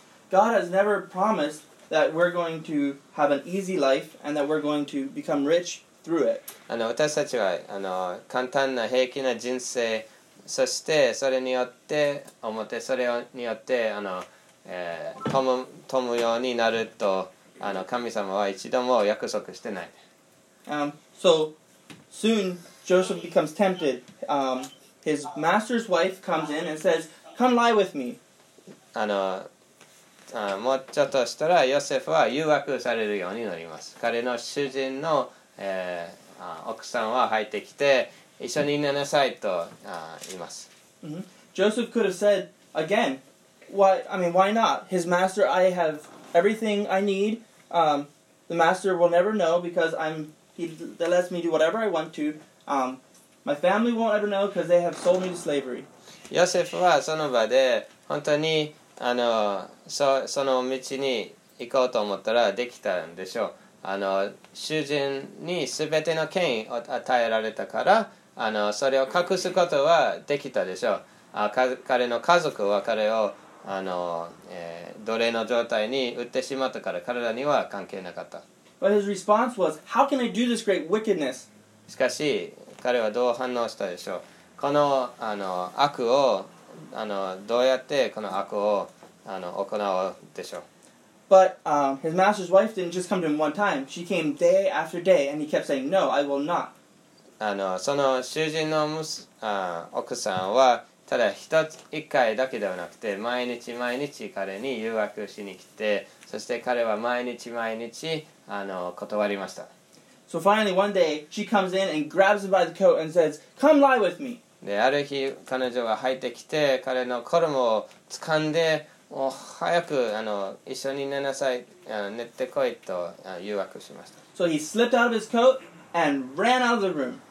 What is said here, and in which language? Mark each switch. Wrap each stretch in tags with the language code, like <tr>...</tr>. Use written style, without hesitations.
<en>God has never promised that we're going to have an easy life and that we're going to become rich through it.</en> <ja>私たちは簡単な平気な人生、そしてそれによって表それによって富むようになると神様は一度も約束してない。</ja> <en>So soon Joseph becomes tempted. His master's wife comes in and says, "Come lie with me."</en> <ja>もうちょっとしたらヨセフは誘惑されるようになります。彼の主人の、奥さんは入ってきて、一緒に寝なさいと言います。</ja> <en>Mm-hmm. Joseph could have said again, "Why not? His master, I have everything I need." The master will never know because he lets me do whatever I want to. My family won't ever know because they have sold me to slavery.</en> <ja>ヨセフはその場で本当にその道に行こうと思ったらできたんでしょう。主人に全ての権威を与えられたからそれを隠すことはできたでしょう。彼の家族は彼を奴隷の状態に売ってしまったから彼らには関係なかった。</ja> <en>But his response was, "How can I do this great wickedness?"</en> <ja>しかし彼はどう反応したでしょう。この悪をどうやってこの悪を行うでしょう。</ja> <en>But his master's wife didn't just come to him one time. She came day after day, and he kept saying, "No, I will not."</en> <ja>その囚人の奥さんは。ただ一回だけではなくて毎日毎日彼に誘惑しに来て、そして彼は毎日毎日断りました。</ja> <en>So finally one day she comes in and grabs him by the coat and says, "Come lie with me."</en> <ja>で、ある日彼女が入ってきて彼の衣を掴んで、もう早く一緒に寝なさい、寝てこいと誘惑しました。</ja> <en>So he slipped out of his coat and ran out of the room.</en>